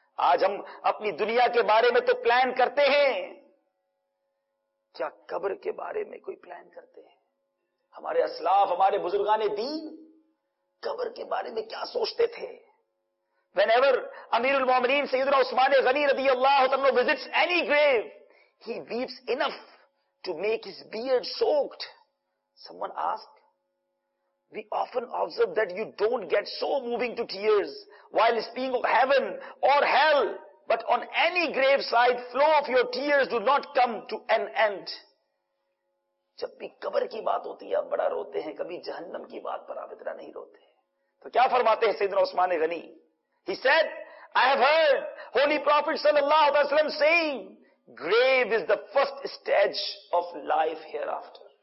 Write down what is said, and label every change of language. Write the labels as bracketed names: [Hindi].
[Urdu] آج ہم اپنی دنیا کے بارے میں تو پلان کرتے ہیں، کیا قبر کے بارے میں کوئی پلان کرتے ہیں؟ ہمارے اسلاف، ہمارے بزرگان دین قبر کے بارے میں کیا سوچتے تھے؟ [English] Whenever امیر المومنین سیدنا عثمان غنی رضی اللہ عنہ visits any grave, he weeps enough to make his beard soaked. Someone asked, we often observe that you don't get so moving to tears while speaking of heaven or hell, but on any graveside flow of your tears do not come to an end. [Urdu] جب بھی قبر کی بات ہوتی ہے آپ بڑا روتے ہیں، کبھی جہنم کی بات پر آپ اتنا نہیں روتے. تو کیا فرماتے ہیں سیدنا عثمان غنی؟ [English] He said, I have heard Holy Prophet صلی اللہ علیہ وسلم saying, grave is the first stage of life hereafter.